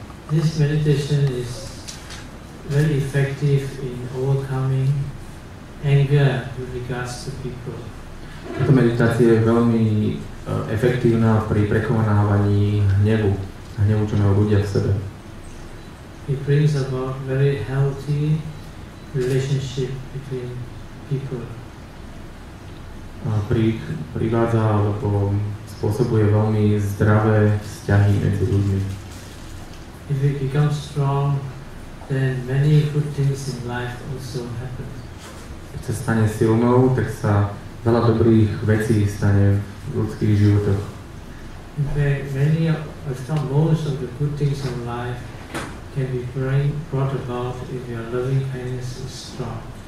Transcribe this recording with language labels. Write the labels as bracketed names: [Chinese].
[English] This meditation is very effective in overcoming anger with regards to people. [Slovak] Táto meditácia je veľmi efektívna pri prekonávaní hnevu, čo majú ľudia v sebe. [English] It brings about very healthy relationship between people. [Slovak] Privádza alebo spôsobuje veľmi zdravé vzťahy medzi ľuďmi. [English] If it becomes strong, then many good things in life also happen. [Slovak] Keď sa stane silnou, tak sa veľa dobrých vecí stane v ľudských životoch. [English] In fact, many of, if not most of the good things in life can be brought about if your loving kindness is strong.